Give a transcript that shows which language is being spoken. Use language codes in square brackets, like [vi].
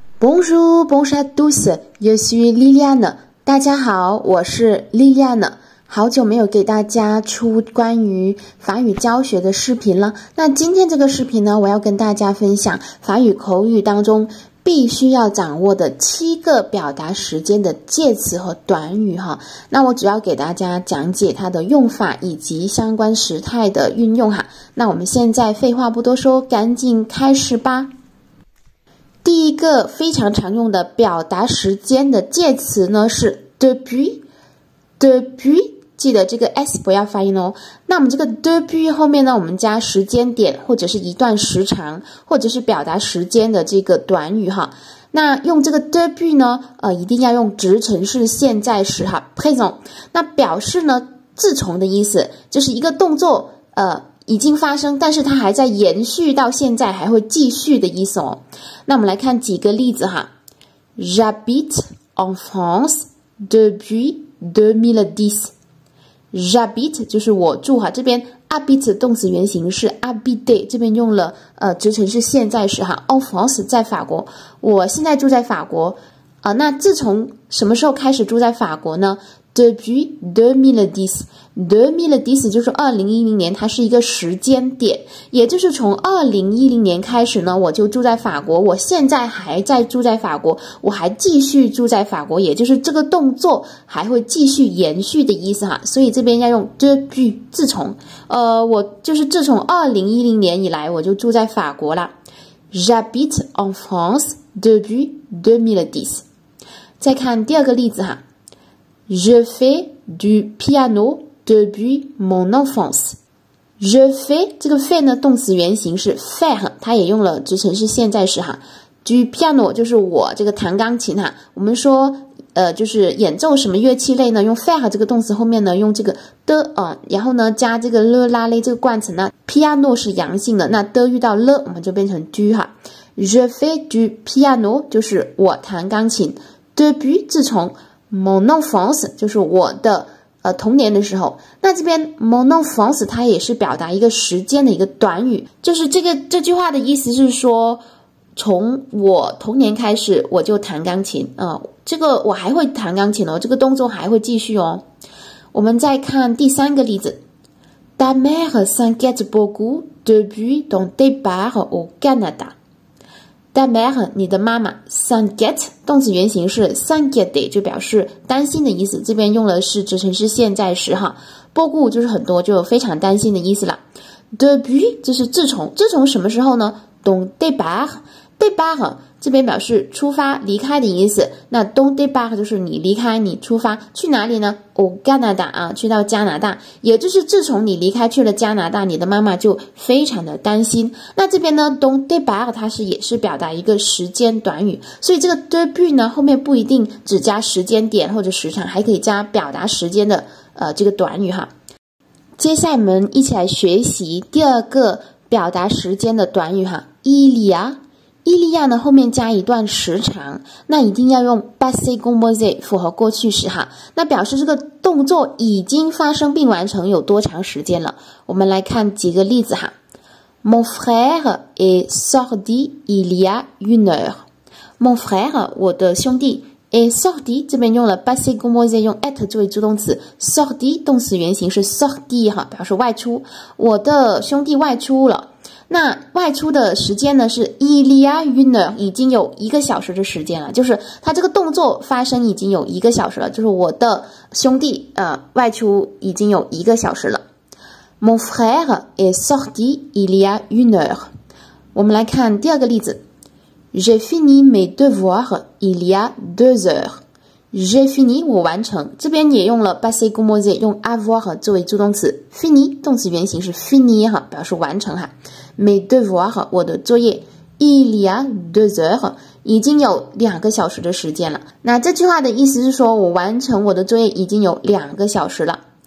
[fr] Bonjour, bonjour à tous, je suis Liliane. [zh] 大家好，我是 Liliane。好久没有给大家出关于法语教学的视频了。那今天这个视频呢，我要跟大家分享法语口语当中必须要掌握的七个表达时间的介词和短语哈。那我主要给大家讲解它的用法以及相关时态的运用哈。那我们现在废话不多说，赶紧开始吧。第一个非常常用的表达时间的介词呢是 depuis， 记得这个 s 不要发音哦。那我们这个 depuis 后面呢，我们加时间点或者是一段时长，或者是表达时间的这个短语哈。那用这个 depuis 呢，一定要用直陈式现在时哈 ，present。那表示呢自从的意思，就是一个动作已经发生，但是它还在延续到现在，还会继续的意思哦。那我们来看几个例子哈。 [fr] J'habite en France depuis 2010. [zh] J'habite 就是我住哈，这边 habite 动词原形是 habiter， 这边用了直陈式现在时哈。 En France 在法国，我现在住在法国啊。那自从什么时候开始住在法国呢？Depuis 2010， 2010 就是2010年，它是一个时间点，也就是从2010年开始呢，我就住在法国，我现在还在住在法国，我还继续住在法国，也就是这个动作还会继续延续的意思哈。所以这边要用 depuis 自从，我就是自从2010年以来，我就住在法国了。 [fr] J'habite en France depuis 2010。 [zh] 再看第二个例子哈。 [fr] Je fais du piano depuis mon enfance. [zh] Je fais 这个 fait 呢，动词原形是 faire， 它也用了直陈式现在时哈。 Du piano 就是我这个弹钢琴哈。我们说就是演奏什么乐器类呢？用 faire 这个动词后面呢，用这个的然后呢加这个 le 拉类这个冠词呢。 Piano 是阳性的，那的遇到 le 我们就变成 du 哈。 [fr] Je fais du piano [zh] 就是我弹钢琴。 Depuis 自从。 Mon enfance 就是我的童年的时候。那这边 mon enfance 它也是表达一个时间的一个短语，就是这句话的意思是说，从我童年开始我就弹钢琴啊，这个我还会弹钢琴哦，这个动作还会继续哦。我们再看第三个例子 ， [fr] Ta mère s'inquiète beaucoup depuis ton départ au Canada。 [zh] Ta mère， 你的妈妈 ，s'inquiète 动词原形是 s'inquiéter， 就表示担心的意思。这边用的是直陈式现在时哈。Beaucoup 就是很多，就非常担心的意思了。 Depuis 就是自从，自从什么时候呢 ？Ton départ 这边表示出发、离开的意思。那 ton départ 就是你离开、你出发去哪里呢 ？Au Canada 啊，去到加拿大。也就是自从你离开去了加拿大，你的妈妈就非常的担心。那这边呢 ，ton départ 它是也是表达一个时间短语，所以这个 depuis 呢后面不一定只加时间点或者时长，还可以加表达时间的这个短语哈。接下来我们一起来学习第二个表达时间的短语哈 ，il y a。伊利亚呢后面加一段时长，那一定要用 passé composé 符合过去时哈，那表示这个动作已经发生并完成有多长时间了。我们来看几个例子哈。 [fr] Mon frère est sorti il y a une heure. [zh] Mon frère 我的兄弟 est sorti 这边用了 passé composé 用 at 作为助动词， sorti 动词原形是 sorti 哈，表示外出，我的兄弟外出了。那外出的时间呢是 [fr] il y a une heure， [zh] 已经有一个小时的时间了，就是他这个动作发生已经有一个小时了，就是我的兄弟外出已经有一个小时了。 [fr] Mon frère est sorti il y a une heure。 [zh] 我们来看第二个例子。 [fr] J'ai fini mes devoirs il y a deux heures。 [zh] J'ai fini 我完成，这边也用了 passé composé 用 avoir 作为助动词， fini 动词原形是 finir 表示完成哈。 Mes devoirs 我的作业 [fr] il y a deux heures [zh] 已经有两个小时的时间了。那这句话的意思是说我完成我的作业已经有两个小时了。